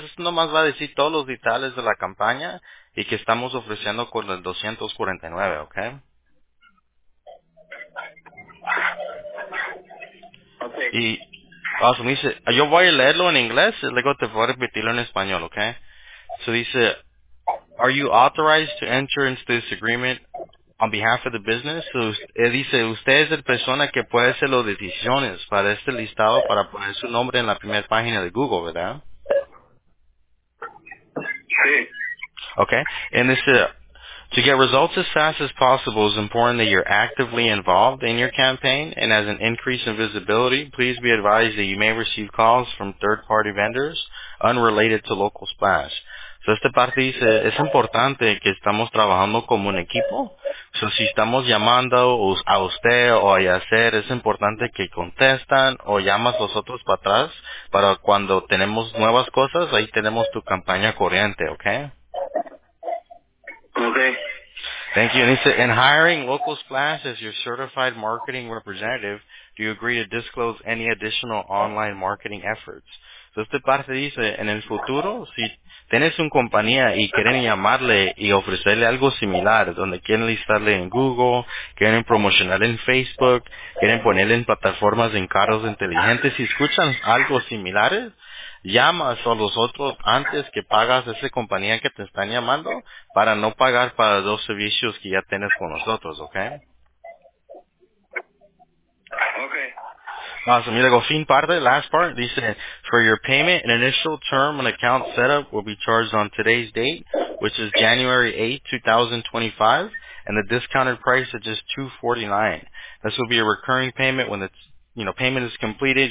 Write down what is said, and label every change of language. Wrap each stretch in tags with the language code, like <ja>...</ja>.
<es>Esto nomás va a decir todos los detalles de la campaña y que estamos ofreciendo con el 249, okay. Okay. Y awesome, dice, yo voy a leerlo en inglés y luego te voy a repetirlo en español, okay.</es> <en>So dice, are you authorized to enter into this agreement on behalf of the business?</en> <es>So, él dice, usted es la persona que puede hacer las decisiones para este listado para poner su nombre en la primera página de Google, ¿verdad? Okay.</es> <en>And this, to get results as fast as possible, it's important that you're actively involved in your campaign. And as an increase in visibility, please be advised that you may receive calls from third-party vendors unrelated to Local Splash.</en> <es>So, esta parte dice, es importante que estamos trabajando como un equipo. So, si estamos llamando a usted o a Yacer, es importante que contestan o llamas a los otros para atrás para cuando tenemos nuevas cosas, ahí tenemos tu campaña corriente, ¿ok?</es> <en>Thank Okay. you. Dice, in hiring Local Splash as your certified marketing representative, do you agree to disclose any additional online marketing efforts?</en> <es>So, esta parte dice, en el futuro, si tienes una compañía y quieren llamarle y ofrecerle algo similar, donde quieren listarle en Google, quieren promocionar en Facebook, quieren ponerle en plataformas en carros inteligentes, si escuchan algo similares, llamas a los otros antes que pagas a esa compañía que te están llamando para no pagar para dos servicios que ya tienes con nosotros, ¿ok?</es> <en>Awesome.</en> <es>Luego, fin parte,</es> <en>last part, dice, for your payment, an initial term and account setup will be charged on today's date, which is January 8, 2025, and the discounted price is just $249. This will be a recurring payment when payment is completed.</en>